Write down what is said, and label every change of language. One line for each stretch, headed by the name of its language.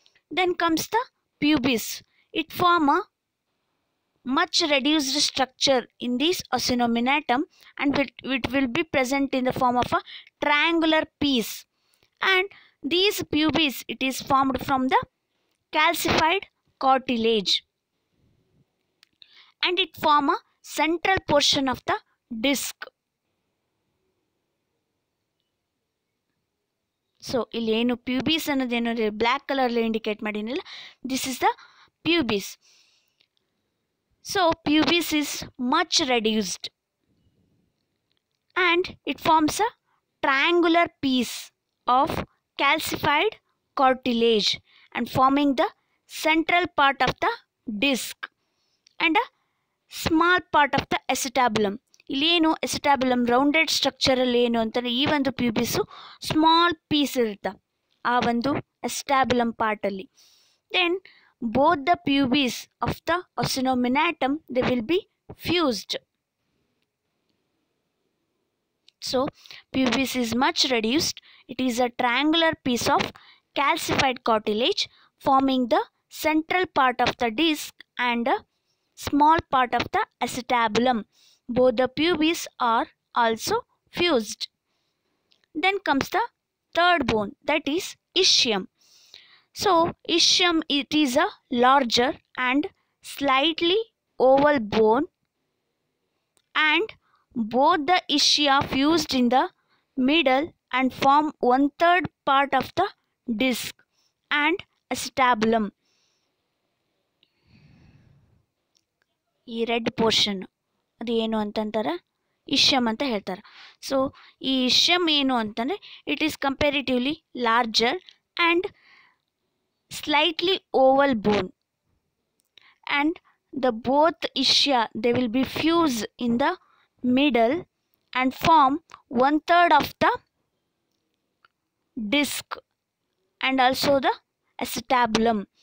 English: Then comes the pubis. It form a much reduced structure in these os innominatum and it will be present in the form of a triangular piece. And these pubis it is formed from the calcified cartilage and it form a central portion of the disc.
Kannada: So ಇಲ್ಲಿ ಏನು ಪ್ಯೂಬಿಸ್ ಅನ್ನೋದೇನು black ಕಲರ್ಲಿ indicate ಮಾಡಿನಲ್ಲ,
English: This is the pubis. So pubis is much reduced and it forms a triangular piece of calcified cartilage and forming the central part of the disc and a small part of the acetabulum.
Kannada: ಇಲ್ಲಿ ಏನು ಎಸಿಟಾಬುಲಮ್ rounded ಸ್ಟ್ರಕ್ಚರಲ್ಲಿ ಏನು ಅಂತಂದರೆ ಈ ಒಂದು ಪ್ಯೂಬಿಸು small piece ಇರುತ್ತೆ ಆ ಒಂದು ಎಸಿಟಾಬುಲಮ್ ಪಾರ್ಟಲ್ಲಿ.
English: Then both the pubis of the os innominatum they will be fused. So pubis is much reduced. It is a triangular piece of calcified cartilage forming the central part of the disc and a small part of the acetabulum. Both the pubis are also fused. Then comes the third bone, that is ischium. So ischium, it is a larger and slightly oval bone, and both the ischia fused in the middle and form one third part of the disc and acetabulum.
Kannada: ಈ red portion ಅದು ಏನು ಅಂತಂತಾರೆ ಇಶ್ಯಮ್ ಅಂತ ಹೇಳ್ತಾರೆ. So ಈ ಇಶ್ಯಮ್ ಏನು ಅಂತಂದರೆ
English: It is comparatively larger and slightly oval bone and the both ischia they will be fuse in the middle and form one third of the disc and also the acetabulum.